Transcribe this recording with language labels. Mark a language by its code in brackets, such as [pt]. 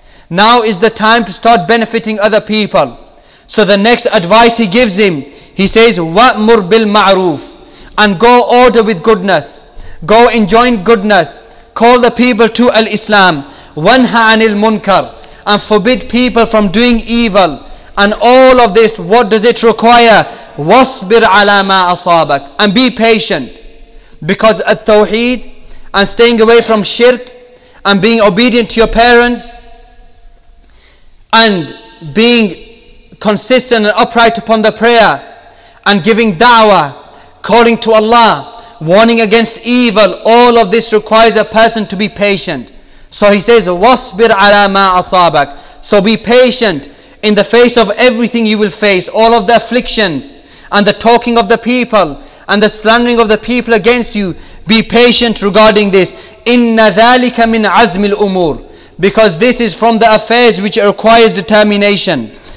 [en] Now is the time to start benefiting other people. So the next advice he gives him, he says, [ar] وَأْمُرْ بِالْمَعْرُوفِ, [en] and go order with goodness. Go enjoin goodness. Call the people to Al-Islam. [ar] وَنْهَ عَنِ الْمُنْكَرِ, [en] and forbid people from doing evil. And all of this, what does it require? [ar] وَصْبِرْ عَلَى مَا أَصَابَكَ, [en] and be patient. Because At-Tawheed, and staying away from shirk, and being obedient to your parents, and being consistent and upright upon the prayer, and giving da'wah, calling to Allah, warning against evil, all of this requires a person to be patient. So he says, [ar] وَصْبِرْ عَلَى مَا أَصَابَكَ. [en] So be patient in the face of everything you will face, all of the afflictions, and the talking of the people, and the slandering of the people against you. Be patient regarding this. [ar] إِنَّ ذَلِكَ مِنْ عَزْمِ الْأُمُورِ. [en] Because this is from the affairs which requires determination.